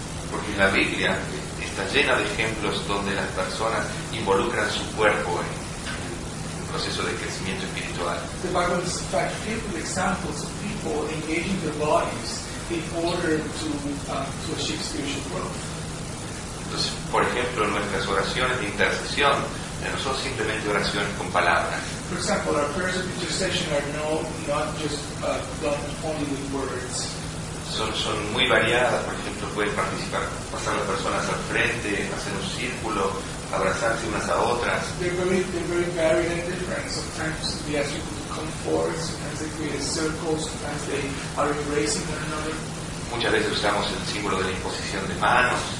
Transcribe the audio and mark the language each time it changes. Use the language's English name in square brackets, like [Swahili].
[Spanish] Porque la Biblia está llena de ejemplos donde las personas involucran su cuerpo en un proceso de crecimiento espiritual. [English] The Bible is in fact filled with examples of people engaging their bodies in order to achieve spiritual growth. [Spanish] Entonces, por ejemplo, nuestras oraciones de intercesión no son simplemente oraciones con palabras. [English] For example, our prayers of intercession are not just done only with words. [Spanish] Son muy variadas. Por ejemplo, pueden participar, pasar las personas al frente, hacer un círculo, abrazarse unas a otras. [English] They're very varied and different. Sometimes they ask people to come forward, sometimes they create a circle, sometimes they are embracing one another. [Spanish] Muchas veces usamos el símbolo de la imposición de manos.